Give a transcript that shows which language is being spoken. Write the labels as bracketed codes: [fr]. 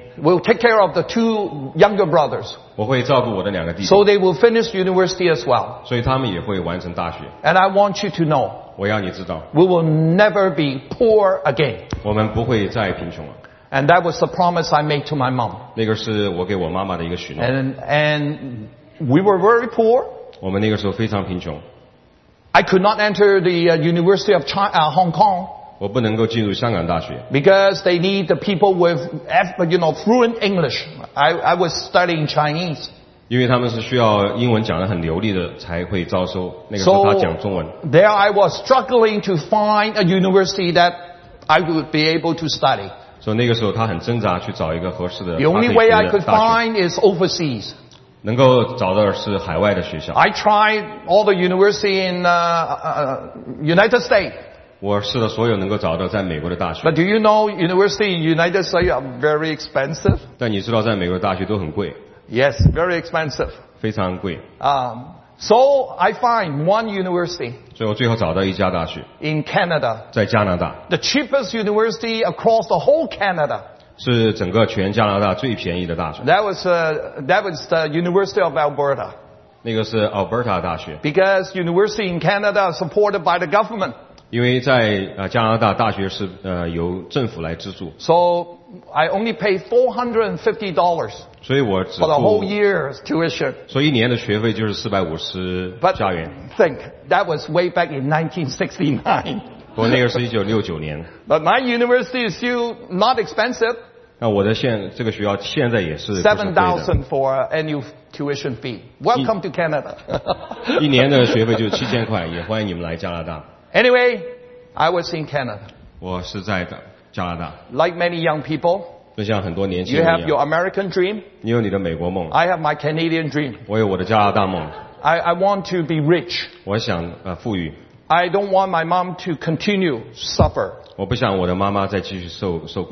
[en] We'll take care of the two younger brothers. [zh] 我会照顾我的两个弟弟。 [en] So they will finish university as well. [zh] 所以他们也会完成大学。 [en] And I want you to know. [zh] 我要你知道。 [en] We will never be poor again. [zh] 我们不会再贫穷了。 [en] And that was the promise I made to my mom. [zh] 那个是我给我妈妈的一个许诺。 [en] And we were very poor. [zh] 我们那个时候非常贫穷。 [en] I could not enter the University of China, Hong Kong. [zh] 我不能够进入香港大学。 [en] Because they need the people with, you know, fluent English. I was studying Chinese. [zh] 因为他们是需要英文讲得很流利的才会招收。那个时候他讲中文。 [en] So, there I was struggling to find a university that. I would be able to study. [zh] So 那个时候他很挣扎去找一个合适的。 [en] The only way I could find is overseas. [zh] 能够找到的是海外的学校。 [en] I tried all the university in United States. [zh] 我试了所有能够找到在美国的大学。 [en] But do you know university in United States are very expensive? [zh] 但你知道在美国大学都很贵。 [en] Yes, very expensive. [zh] 非常贵。 [en] So I find one university. [zh] 所以我最后找到一家大学。 [en] In Canada. [zh] 在加拿大。 [en] The cheapest university across the whole Canada. [zh] 是整个全加拿大最便宜的大学。 [en] That was the University of Alberta. [zh] 那个是 Alberta 大学。 [en] Because university in Canada are supported by the government. [zh] 因为在加拿大大学是由政府来资助。 [en] So I only pay $450. [zh] 所以我只付 [en] for the whole year's tuition. [zh] 所以一年的学费就是450加元。 [en] But think that was way back in 1969. [zh] 不过那个是1969年。 [en] But my university is still not expensive. [zh] 那我的这个学校现在也是不是贵的。 [en] $7,000 for annual tuition fee. Welcome to Canada. [zh] 一年的学费就7000块，也欢迎你们来加拿大。 [en] Anyway, I was in Canada. [zh] 我是在加拿大。 [en] Like many young people, [zh] 就像很多年轻人一样。 [en] You have your American dream. [zh] 你有你的美国梦。 [en] I have my Canadian dream. [zh] 我有我的加拿大梦。 [en] I want to be rich. [zh] 我想富裕。 [en] I don't want my mom to continue suffer. [zh] 我不想我的妈妈再继续受苦。